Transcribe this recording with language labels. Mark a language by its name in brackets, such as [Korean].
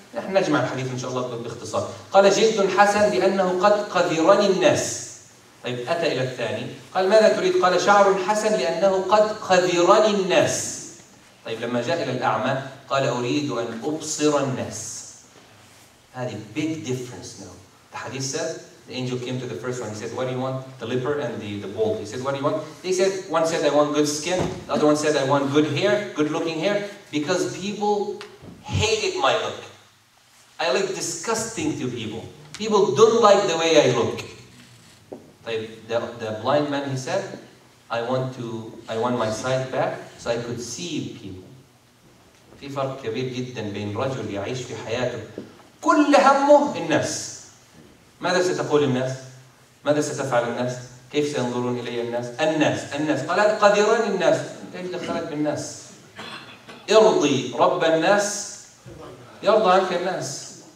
[Arabic] نحن نجمع الحديث إن شاء الله باختصار. قال جد حسن لأنه قد قذرني الناس. طيب أتى إلى الثاني. قال ماذا تريد؟ قال شعر حسن لأنه قد قذرني الناس. طيب لما جاء إلى الأعمى قال أريد أن أبصر الناس. هذه [English] big difference now. The hadith says the angel came to the first one. He said, what do you want? The leper and the bald. He said, what do you want? They said, one said, I want good skin. The other one said, I want good hair, good looking hair. Because people hated my look. I look disgusting to people. People don't like the way I look. The blind man, he said, I want my sight back so I could see people. [Arabic] في فرق كبير جدا بين رجل يعيش في حياته كل همه الناس. ماذا ستقول الناس؟ ماذا ستفعل الناس؟ كيف سينظرون إلي الناس؟ الناس. قال قذران الناس. أنت دخلت بالناس. ارضي رب الناس يرضى عنك الناس.